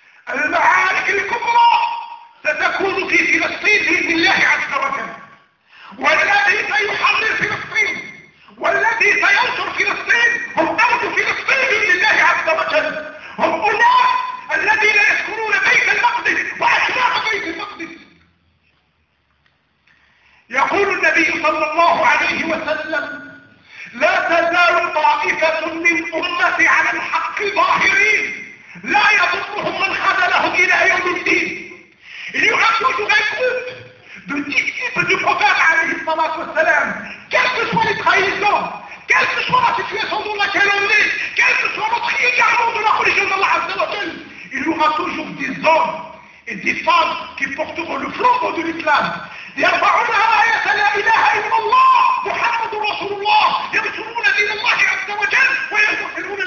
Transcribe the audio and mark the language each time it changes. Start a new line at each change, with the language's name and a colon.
Arabic: المعارك الكبرى ستكون في فلسطين بإذن الله عز وجل والذي سيحرر فلسطين والذي سينصر فلسطين هم أرض فلسطين بإذن الله عز وجل هم أولئك الذين يسكنون بيت المقدس وأشراف بيت المقدس. يقول النبي صلى الله عليه وسلم لا تزال طائفة من أمتي على الحق ظاهرين لا يضرهم من خذلهم إلى يوم الدين.
French: Il y aura toujours un groupe de disciples du prophète
Arabic: alayhi salatu wassalam,
French: quelles que soient les trahisons, quelle que soit la situation dans laquelle on est, quel que soit notre égarement de la religion d'Allah
Arabic: azza wa jal,
French: il y aura toujours des hommes et des femmes qui porteront le flambeau de l'islam.
Arabic: يرفعون آية لا إله إلا الله محمد رسول الله يرسلون دين الله عز وجل ويرسلون